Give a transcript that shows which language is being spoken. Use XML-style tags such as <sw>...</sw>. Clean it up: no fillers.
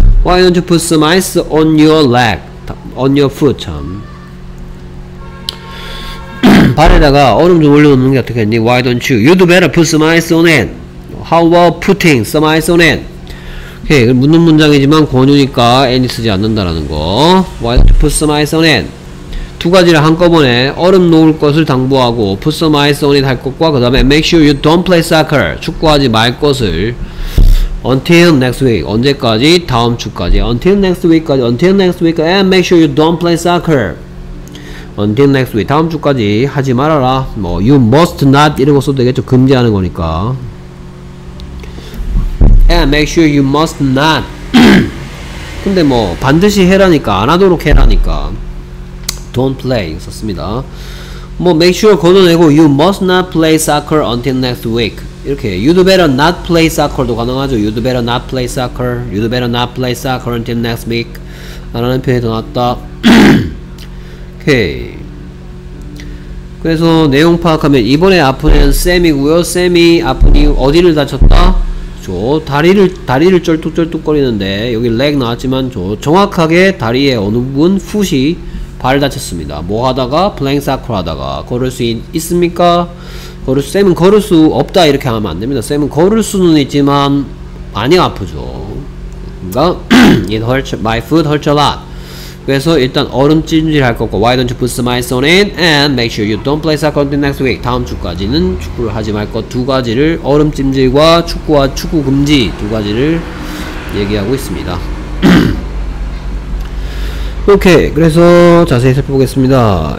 <en>Why don't you put some ice on your leg? On your foot, 참.</en> <ko>발에다가 얼음 좀 올려놓는 게 어떻겠니?</ko> <en>Why don't you? You'd better put some ice on it. How about putting some ice on it?</en> <ko>오케이, 묻는 문장이지만 권유니까 any 쓰지 않는다라는 거.</ko> <en>Why don't you put some ice on it?</en> <ko>두 가지를 한꺼번에 얼음 놓을 것을 당부하고</ko> <en>put some ice on it</en> <ko>할 것과 그 다음에</ko> <en>make sure you don't play soccer.</en> <ko>축구하지 말 것을</ko> <en>Until next week.</en> <ko>언제까지? 다음 주까지.</ko> <en>Until next week까지. Until next week. And make sure you don't play soccer. Until next week.</en> <ko>다음 주까지 하지 말아라. 뭐,</ko> <en>you must not.</en> <ko>이런 거 써도 되겠죠. 금지하는 거니까.</ko> <en>And make sure you must not.</en> <ko>근데 뭐, 반드시 해라니까. 안 하도록 해라니까.</ko> <en>Don't play.</en> <ko>썼습니다.</ko> <en>뭐, make sure</en> <ko>걷어내고,</ko> <en>you must not play soccer until next week. 이렇게 You'd better not play soccer</en> <ko>도 가능하죠.</ko> <en>You'd better not play soccer. You'd better not play soccer until next week.</en> <ko>라는 표현이 더 낫다. 오케이. 그래서 내용 파악하면 이번에 아픈 애는 샘이고요. 샘이 아픈 이유 어디를 다쳤다? 저 다리를 쩔뚝쩔뚝 거리는데 여기 leg 나왔지만 저 정확하게 다리의 어느 부분 foot이 발을 다쳤습니다. 뭐 하다가</ko> <en>playing soccer</en> <ko>하다가 걸을 수 있습니까? 쌤은 걸을 수 없다 이렇게 하면 안됩니다. 쌤은 걸을 수는 있지만 많이 아프죠.</ko> <en>그러니까 It hurts, my foot hurts a lot.</en> <ko>그래서 일단 얼음 찜질 할 거고</ko> <en>Why don't you put some ice on it and make sure you don't play soccer until next week.</en> <ko>다음 주까지는 축구를 하지 말 것 두 가지를 얼음 찜질과 축구와 축구 금지 두 가지를 얘기하고 있습니다. 오케이 그래서 자세히 살펴보겠습니다.</ko>